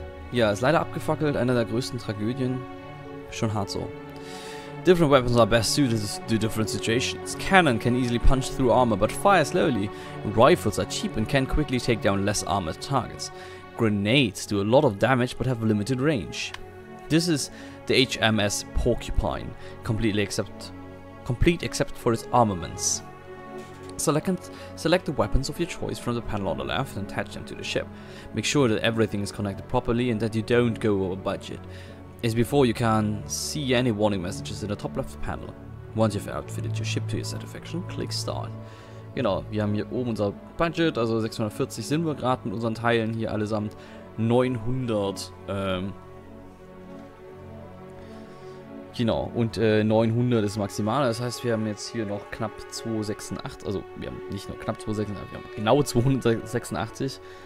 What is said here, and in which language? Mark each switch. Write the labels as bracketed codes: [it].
[de] Ja, ist leider abgefackelt, einer der größten Tragödien. Schon hart so. [en] Different weapons are best suited to different situations. Cannon can easily punch through armor, but fire slowly. Rifles are cheap and can quickly take down less armored targets. Grenades do a lot of damage, but have limited range. This is the HMS Porcupine, complete except for its armaments. Select the weapons of your choice from the panel on the left and attach them to the ship. Make sure that everything is connected properly and that you don't go over budget. As before, you can see any warning messages in the top left panel. Once you've outfitted your ship to your satisfaction, click Start. [de] Genau, wir haben hier oben unser Budget, also 640 sind wir gerade mit unseren Teilen hier allesamt. 900, genau, und 900 ist maximal, das heißt, wir haben jetzt hier noch knapp 286, also wir haben nicht nur knapp 286, wir haben genau 286.